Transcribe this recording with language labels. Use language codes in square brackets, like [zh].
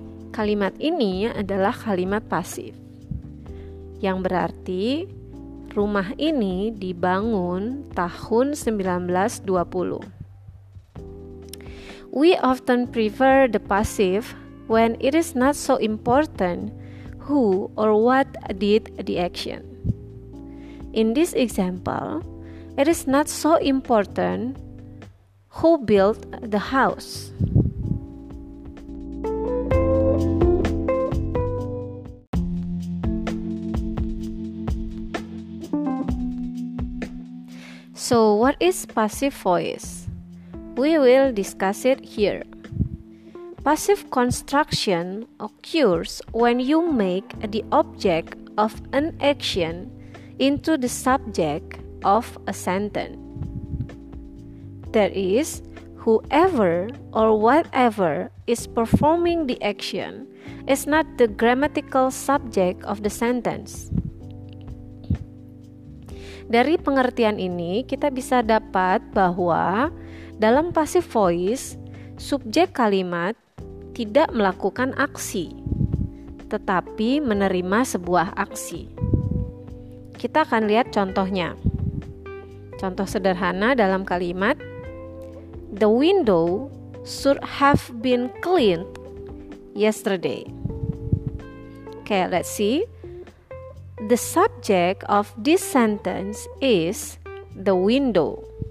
[id] Kalimat ini adalah kalimat pasif, yang berarti rumah ini dibangun tahun 1920. [en] We often prefer the passive when it is not so important who or what did the action. In this example, it is not so important who built the house. So, what is passive voice? We will discuss it here. Passive construction occurs when you make the object of an action into the subject of a sentence. That is, whoever or whatever is performing the action is not the grammatical subject of the sentence. [id] Dari pengertian ini, kita bisa dapat bahwa dalam passive voice, subjek kalimat tidak melakukan aksi, tetapi menerima sebuah aksi. Kita akan lihat contohnya. Contoh sederhana dalam kalimat, [en] the window should have been cleaned yesterday. Okay, let's see. The subject of this sentence is the window.